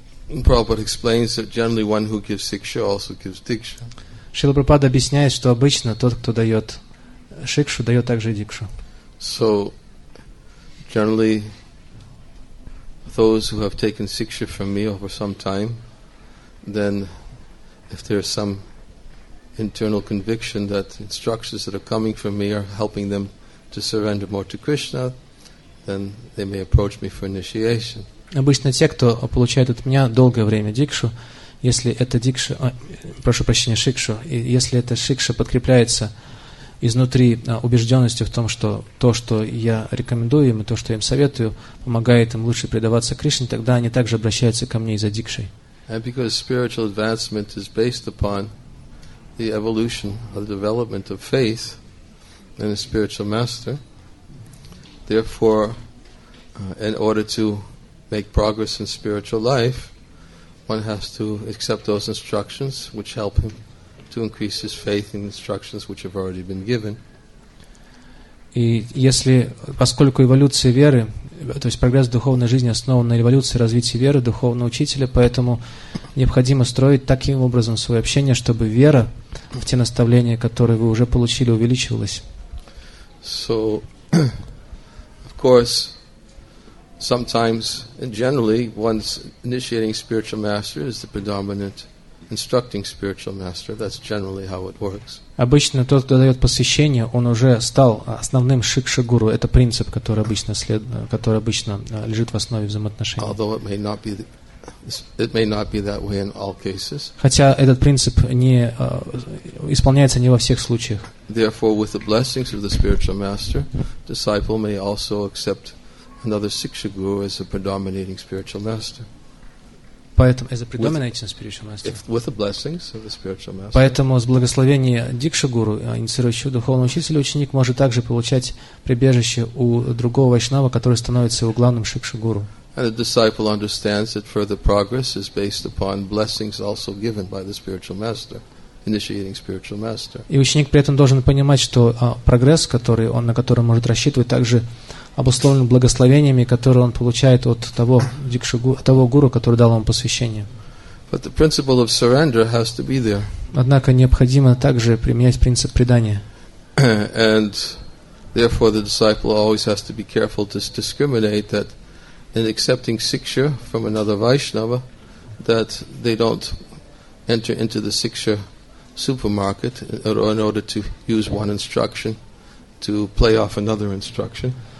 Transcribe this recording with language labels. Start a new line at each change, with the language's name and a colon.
English: Prabhupada explains that generally one who gives shiksha also gives diksha.
Russian: Шрила Прабхупада объясняет, что обычно тот, кто дает шикшу, дает также дикшу.
English: So generally those who have taken shiksha from me over some time, then if there is some internal conviction that instructions that are coming from me are helping them to surrender more to Krishna, then they may approach me for initiation.
Russian: Обычно те, кто получает от меня долгое время дикшу, если эта дикша, прошу прощения, шикшу, и если эта шикша подкрепляется изнутри убежденностью в том, что то, что я рекомендую им, и то, что я им советую, помогает им лучше предаваться Кришне, тогда они также обращаются ко мне из-за дикшей.
English: And because spiritual advancement is based upon the evolution or the development of faith in a spiritual master, therefore, in order to make progress in spiritual life, one has to accept those instructions which help him to increase his faith in instructions which have already been given.
Russian: И если, поскольку эволюция веры, то есть прогресс духовной жизни основан на эволюции развития веры духовного учителя, поэтому необходимо строить таким образом свое общение, чтобы вера в те наставления, которые вы уже получили, увеличивалась.
English: So, of course, sometimes and generally, one's initiating spiritual master is the predominant instructing spiritual master. That's generally how it works.
Russian: Обычно тот, кто дает посвящение, он уже стал основным шикша-гуру. Это принцип, который обычно, который обычно лежит в основе взаимоотношений.
English: Although it may not be that way in all cases.
Russian: Хотя этот принцип не исполняется не во всех случаях.
English: Therefore, with the blessings of the spiritual master, disciple may also accept another shikshaguru as a predominating spiritual master.
Russian: Поэтому
English: as a predominating spiritual master. With the blessings of the spiritual master.
Russian: Поэтому с благословения дикшагуру, инициирующего духовного учителя, ученик может также получать прибежище у другого вайшнава, который становится его главным шикшагуру.
English: And the disciple understands that further progress is based upon blessings also given by the spiritual master, initiating spiritual master.
Russian: И ученик при этом должен понимать, что прогресс, который он, на который он может рассчитывать, также обусловлен благословениями, которые он получает от того дикшагу, от того гуру, который дал ему посвящение.
English: But the principle of surrender has to be there.
Russian: Однако необходимо также применять принцип предания.
English: And therefore the disciple always has to be careful to discriminate that in accepting siksha from another Vaishnava, that they don't enter into the siksha supermarket in order to use one instruction to play off another instruction.